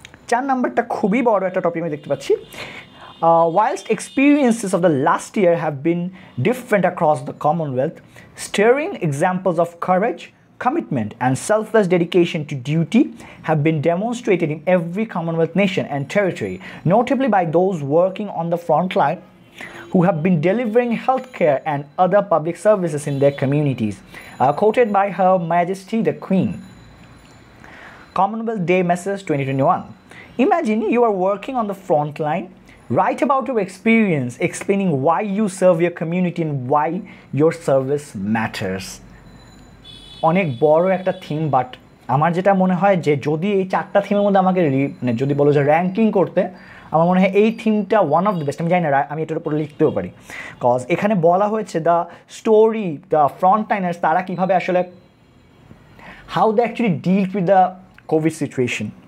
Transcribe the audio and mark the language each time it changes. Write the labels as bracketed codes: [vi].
[bn] চার নম্বরটা খুবই বড় একটা টপিক আমি দেখতে পাচ্ছি, [en] Wild experiences of the last year have been different across the Commonwealth, steering examples of courage, commitment and selfless dedication to duty have been demonstrated in every Commonwealth nation and territory, notably by those working on the front line who have been delivering health care and other public services in the communities, quoted by Her Majesty the Queen, Commonwealth Day message 2021। Imagine you are working on the front line, write about your experience, explaining why you serve your community and why your service matters. [bn] অনেক বড় একটা theme, but আমার যেটা মনে হয় যে যদি এই চারটা থিমের মধ্যে আমাকে মানে যদি বলো যে র্যাঙ্কিং করতে, আমার মনে হয় এই থিমটা [en] One of the best. [bn] আমি জানি না, আমি এটার উপরে লিখতেও পারি, কজ এখানে বলা হয়েছে [en] the story, the front liners [bn] তারা কীভাবে আসলে [en] How they actually deal with the COVID situation.